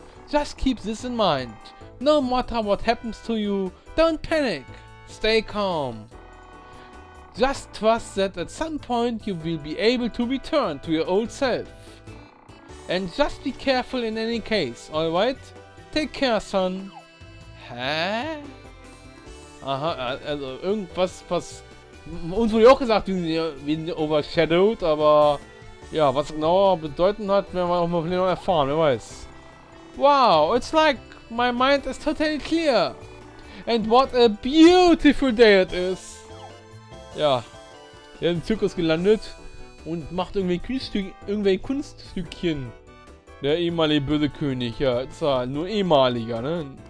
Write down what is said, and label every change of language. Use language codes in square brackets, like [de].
[en] Just keep this in mind. No matter what happens to you, don't panic. Stay calm. Just trust that at some point you will be able to return to your old self. And just be careful in any case, alright? Tekersan. Hä? [de] Aha, also irgendwas, was uns wurde auch gesagt, wie overshadowed, aber ja, was genauer bedeuten hat, werden wir auch mal vielleicht noch erfahren, wer weiß. [en] Wow, it's like my mind is totally clear. And what a beautiful day it is. [de] Ja, wir sind im Zirkus gelandet und macht irgendwelche Kunststückchen. Der ehemalige böse König, ja, ist ja nur ehemaliger, ne?